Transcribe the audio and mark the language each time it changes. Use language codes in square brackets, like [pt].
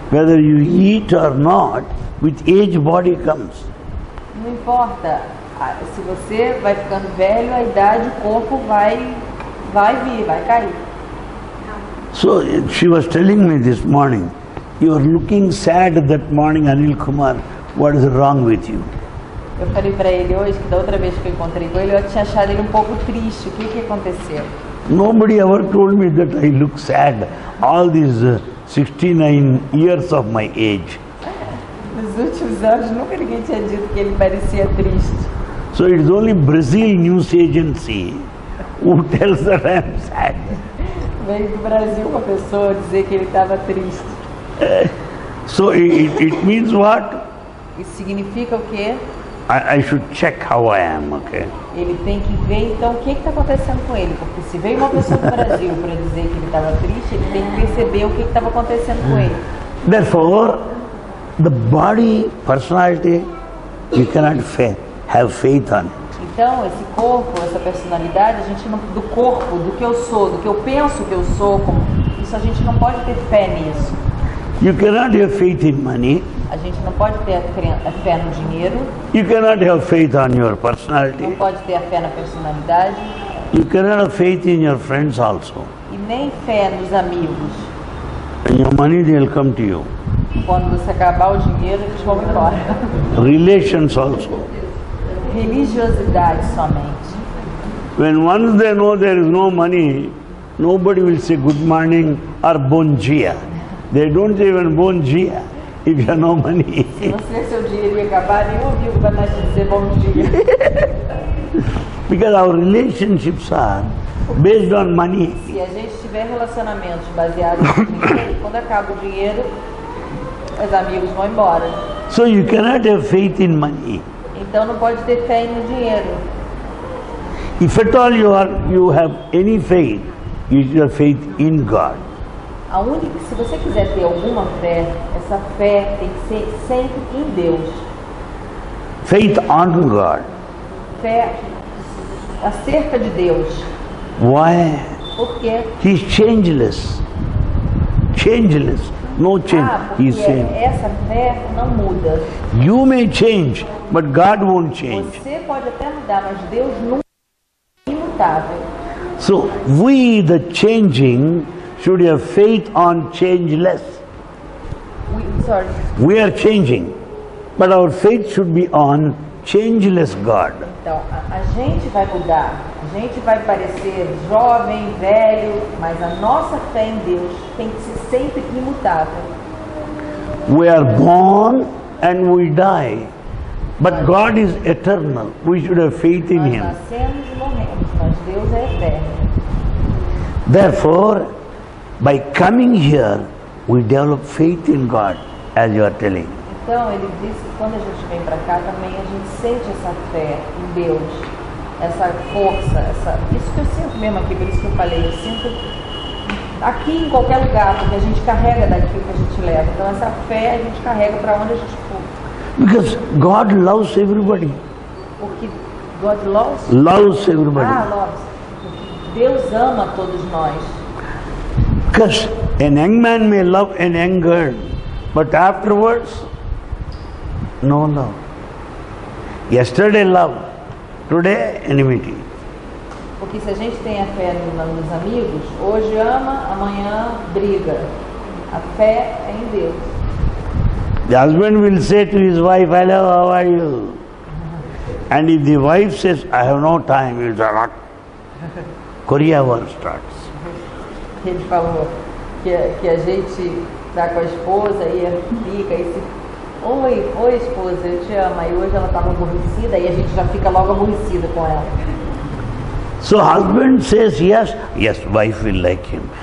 [en] Whether you eat or not, with age body comes. [pt] Não importa. Se você vai ficando velho, a idade, o corpo vai vir, vai cair. [en] So, she was telling me this morning. You are looking sad that morning, Anil Kumar. What is wrong with you? [pt] Eu falei para ele hoje que da outra vez que eu encontrei com ele, eu tinha achado ele um pouco triste. O que aconteceu? [en] Nobody ever told me that I look sad all these 69 years of my age. [pt] Nos últimos anos, nunca ninguém tinha dito que ele parecia triste. [en] So it is only Brazil news agency who tells that I am sad. [pt] Veio do Brasil uma pessoa dizer que ele estava triste. [en] So it means what? [pt] Isso significa o quê? [en] I should check how I am, okay? [pt] Ele tem que ver então o que está acontecendo com ele, porque se veio uma pessoa do Brasil para dizer que ele estava triste, ele tem que perceber o que estava acontecendo com ele. [en] Therefore, the body, personality, you cannot have faith on it. [pt] Então, esse corpo, essa personalidade, a gente não, do corpo, do que eu sou, do que eu penso que eu sou, como, isso a gente não pode ter fé nisso. [en] You cannot have faith in money. [pt] A gente não pode ter a fé no dinheiro. [en] You cannot have faith on your personality. [pt] Não pode ter a fé na personalidade. [en] You cannot have faith in your friends also. [pt] E nem fé nos amigos. [en] And your money, they'll come to you. [pt] Quando você acabar o dinheiro, eles vão embora. [en] Relations also. [pt] Religiosidade somente. [en] When once they know there is no money, nobody will say good morning or [pt] bom dia. [en] They don't even [pt] bom dia [en] if you have no money. [pt] Se você, seu dinheiro ia acabar, nem o vivo vai mais dizer bom dia. [en] Because our relationships are based on money. [pt] Se a gente tiver relacionamentos baseados no dinheiro, quando acaba o dinheiro, os amigos vão embora. [en] So you cannot have faith in money. [pt] Então não pode ter fé no dinheiro. [en] If at all you have any faith, it is your faith in God. [pt] A única, se você quiser ter alguma fé, essa fé tem que ser sempre em Deus. [en] Faith on God. [pt] Fé acerca de Deus. [en] Why? [pt] Por quê? [en] He is changeless. Changeless. No change. [pt] Ah, porque [en] he's [pt] essa fé não muda. [en] You may change, but God won't change. [pt] Você pode até mudar, mas Deus nunca é imutável. [en] So we, the changing, should have faith on changeless. We are changing, but our faith should be on changeless God. [pt] Então, a gente vai mudar, a gente vai parecer jovem, velho, mas a nossa fé em Deus tem que ser sempre imutável. [en] We are born and we die, but God is eternal. We should have faith in Him. [pt] Nós nascemos e morremos, mas Deus é eterno. [en] Therefore, by coming here, we develop faith in God, as you are telling. [pt] Então ele disse que quando a gente vem para cá também a gente sente essa fé em Deus, essa força, essa isso que eu sinto mesmo aqui, por isso que eu falei, eu sinto aqui em qualquer lugar porque a gente carrega daquilo que a gente leva. Então essa fé a gente carrega para onde a gente for. [en] Because God loves everybody. [pt] Porque [en] God loves. Loves everybody. [pt] Ah, loves. Deus ama todos nós. [en] Because an young man may love an young girl, but afterwards, no love. Yesterday love, today enmity. [pt] Porque se a gente tem a fé nos amigos, hoje ama, amanhã briga. A fé é em Deus. [en] The husband will say to his wife, "Hello, how are you?" And if the wife says, "I have no time," it's a lot. Korea war starts. [pt] Ele falou que a gente está com a esposa e fica e se... Oi, esposa, eu te amo. E hoje ela estava aborrecida e a gente já fica logo aborrecida com ela. [en] So husband says yes, yes, wife will like him.